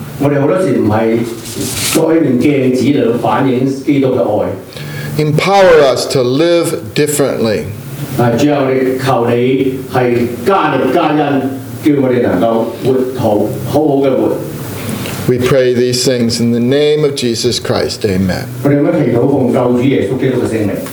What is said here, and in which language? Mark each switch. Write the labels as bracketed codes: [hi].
[zh] 我们很多时候不是在一面镜子里反映基督的爱。 [en] Empower us to live differently. [zh] 主啊，我们求你是加力加恩，叫我们能够活好，好好的活。 [en] We pray these things in the name of Jesus Christ. Amen. [zh] 我们祈祷奉救主耶稣基督的圣名。